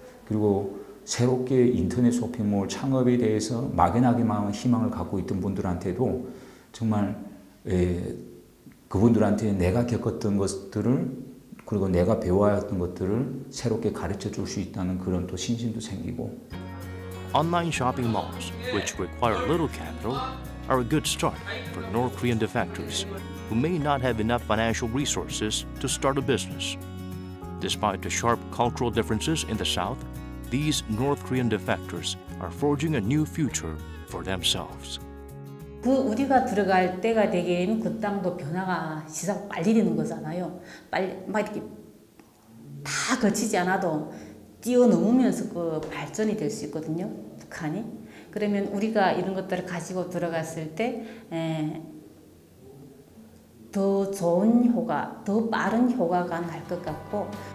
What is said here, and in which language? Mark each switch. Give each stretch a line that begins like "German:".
Korean: 그리고 새롭게 인터넷 쇼핑몰 창업에 대해서 막연하게만 희망을 갖고 있던 분들한테도 정말 그분들한테 내가 겪었던 것들을 그리고 내가 배워왔던 것들을 새롭게 가르쳐 줄 수 있다는 그런 또 신심도 생기고.
English: Online shopping malls, which require little capital, are a good start for North Korean defectors who may not have enough financial resources to start a business. Despite the sharp cultural differences in the South, these North Korean defectors are forging a new future for themselves.
Korean: 그 우리가 들어갈 때가 되기에는 그 땅도 변화가 시작 빨리 되는 거잖아요. 빨리 막 이렇게 다 거치지 않아도 뛰어넘으면서 그 발전이 될 수 있거든요. 북한이. 그러면 우리가 이런 것들을 가지고 들어갔을 때 더 좋은 효과, 더 빠른 효과가 날 것 같고.